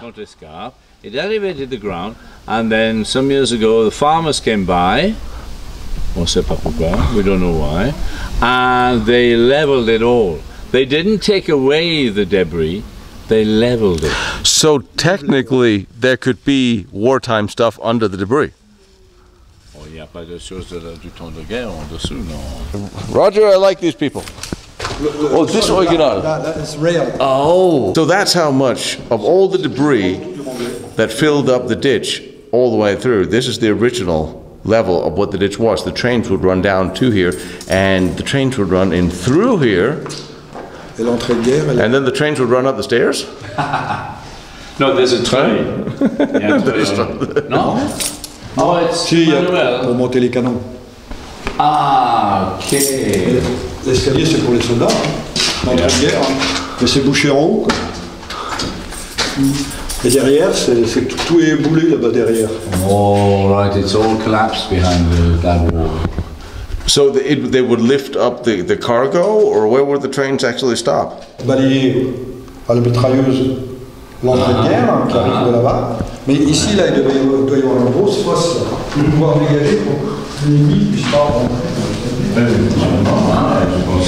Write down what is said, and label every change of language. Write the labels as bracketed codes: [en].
[en] It elevated the ground, and then some years ago, the farmers came by, we don't know why, and they leveled it all. They didn't take away the debris, they leveled it. So technically, there could be wartime stuff under the debris. [fr] Oh, il n'y a pas de choses du temps de guerre en dessous, non. [en] Roger, I like these people. Oh, this original. That is real. Oh. So that's how much of all the debris that filled up the ditch all the way through, this is the original level of what the ditch was. The trains would run down to here, and the trains would run in through here. [fr] Et l'entrée de guerre, [en] and then the trains would run up the stairs. No, there's a train. No? Oh, it's [fr] si, manuel. Pour monter les canons. [en] Ah, okay. [fr] L'escalier, c'est pour les soldats. L'entrée de guerre. Mais c'est bouché en haut. Et derrière, c'est tout est boulé là-bas derrière. [en] Oh, right, it's all collapsed behind that wall. So they would lift up the cargo, or where would the trains actually stop? [fr] Balayer par la mitrailleuse l'entrée de guerre qui arrive de là-bas. Mais ici, là, il doit y avoir une grosse fosse pour pouvoir dégager pour que l'ennemi puisse pas rentrer.